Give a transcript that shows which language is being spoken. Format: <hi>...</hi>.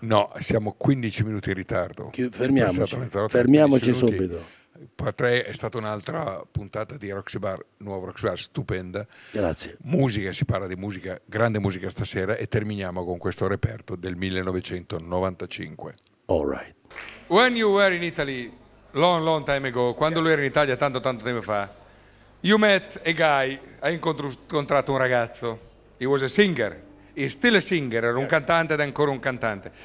<it>No, siamo 15 minuti in ritardo. Fermiamoci subito. È stata un'altra puntata di Roxy Bar, nuovo Roxy Bar, stupenda. Grazie. Musica, si parla di musica, grande musica stasera, e terminiamo con questo reperto del 1995.</it> <en>All right. When you were in Italy long long time ago,</en> <it>quando lui era in Italia tanto tanto tempo fa,</it> <en>you met a guy,</en> <it>hai incontrato un ragazzo,</it> <en>he was a singer, He's still a singer,</en> <it>era un cantante ed è ancora un cantante.</it>